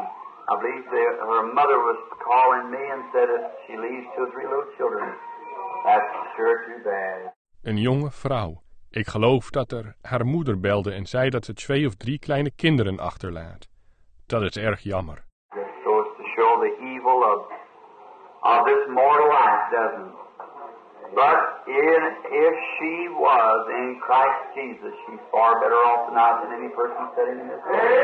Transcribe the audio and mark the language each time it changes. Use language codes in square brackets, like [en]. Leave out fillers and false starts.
[en] I believe her mother was calling me and said that she leaves 2 or 3 little children. That's sure too bad. [nl] Een jonge vrouw. Ik geloof dat er haar moeder belde en zei dat ze 2 of 3 kleine kinderen achterlaat. Dat is erg jammer. [en] Just so as to show the evil of this mortal life, doesn't. But if she was in Christ Jesus, she's far better off now than any person sitting in this room.